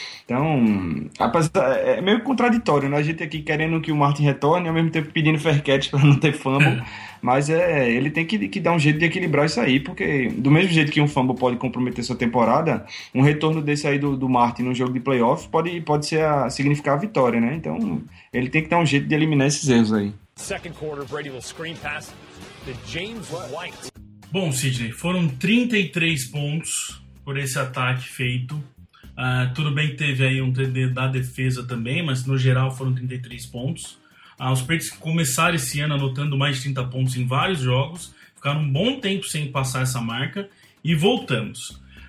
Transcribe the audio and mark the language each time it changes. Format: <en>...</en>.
<pt>Então, é meio contraditório, né? A gente aqui querendo que o Martin retorne, ao mesmo tempo pedindo fair catch para não ter fumble. Mas ele tem que dar um jeito de equilibrar isso aí, porque do mesmo jeito que um fumble pode comprometer sua temporada, um retorno desse aí do Martin num jogo de playoff pode significar a vitória, né? Então, ele tem que dar um jeito de eliminar esses erros aí.</pt> <en>Second quarter, Brady will screen pass to James White.</en> <pt>Bom, Sidney, foram 33 pontos por esse ataque feito. Tudo bem que teve aí um TD da defesa também, mas no geral foram 33 pontos. Os Patriots começaram esse ano anotando mais de 30 pontos em vários jogos, ficaram um bom tempo sem passar essa marca, e voltamos.</pt>